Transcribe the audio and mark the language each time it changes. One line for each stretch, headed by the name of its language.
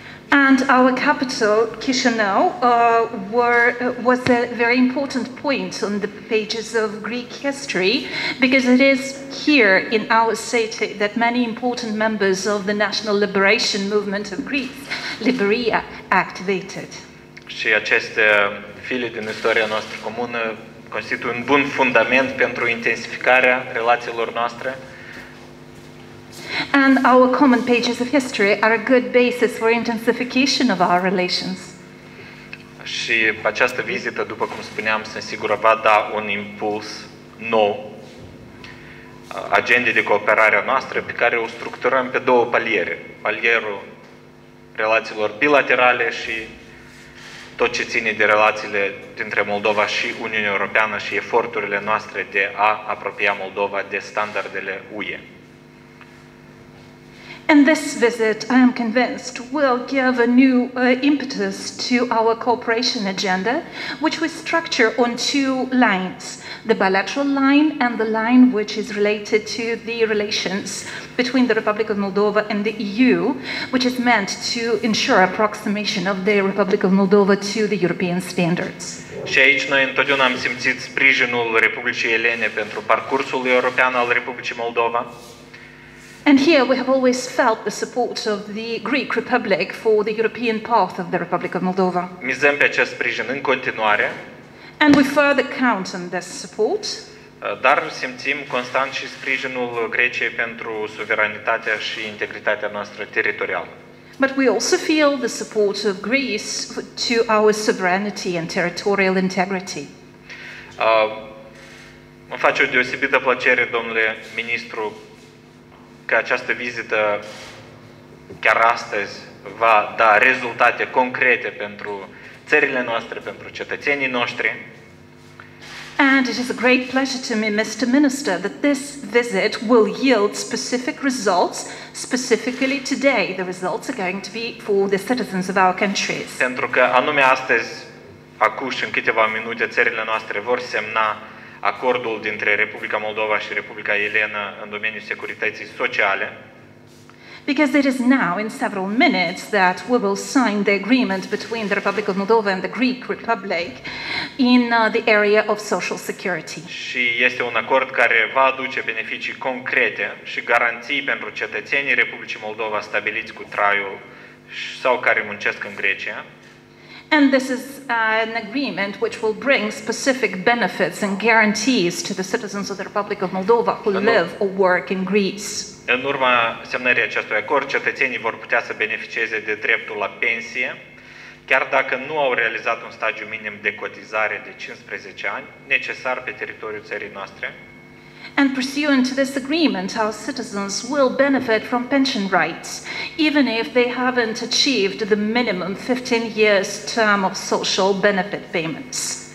English: And our capital, Chișinău, was a very important point on the pages of Greek history because it is here in our city that many important members of the National Liberation Movement of Greece, Liberia, activated.
Romanian: Și aceste file din istoria noastră comună constituie un bun fundament pentru intensificarea relațiilor noastre.
English: And our common pages of history are a good basis for intensification of our relations.
Romanian: Și această vizită, după cum spuneam, sunt sigur va da un impuls nou agendei de cooperare a noastră, pe care o structurăm pe două paliere. Palierul relațiilor bilaterale și tot ce ține de relațiile dintre Moldova și Uniunea Europeană și eforturile noastre de a apropia Moldova de standardele UE.
English: And this visit, I am convinced, will give a new impetus to our cooperation agenda, which we structure on two lines, the bilateral line and the line which is related to the relations between the Republic of Moldova and the EU, which is meant to ensure approximation of the Republic of Moldova to the European standards.
Romanian: Și aici noi întotdeauna am simțit sprijinul Republicii Elene pentru parcursul european al Republicii Moldova.
English: And here we have always felt the support of the Greek Republic for the European path of the Republic of Moldova.
Romanian: Mizăm pe acest sprijin în continuare.
English: And we further count on this support.
Romanian: Dar simțim constant și sprijinul Greciei pentru suveranitatea și integritatea noastră teritorială.
English: But we also feel the support of Greece to our sovereignty and territorial integrity.
Romanian: Mă face o deosebită plăcere, domnule ministru, că această vizită chiar astăzi va da rezultate concrete pentru țările noastre, pentru cetățenii noștri.
English: And it is a great pleasure to me, Mr. Minister, that this visit will yield specific results, specifically today. The results are going to be for the citizens of our countries.
Romanian: Pentru că anume astăzi, acuși, în câteva minute, țările noastre vor semna acordul dintre Republica Moldova și Republica Elena în domeniul securității sociale.
English: Because it is now, in several minutes, that we will sign the agreement between the Republic of Moldova and the Greek Republic in the area of social security.
Romanian: Și este un acord care va aduce beneficii concrete și garanții pentru cetățenii Republicii Moldova stabiliți cu traiul sau care muncesc în Grecia.
English: And this is an agreement which will bring specific benefits and guarantees to the citizens of the Republic of Moldova who live or work in Greece.
Romanian: În urma semnării acestui acord, cetățenii vor putea să beneficieze de dreptul la pensie, chiar dacă nu au realizat un stadiu minim de cotizare de 15 ani, necesar pe teritoriul țării noastre.
English: And pursuant to this agreement, our citizens will benefit from pension rights, even if they haven't achieved the minimum 15 years term of social benefit payments.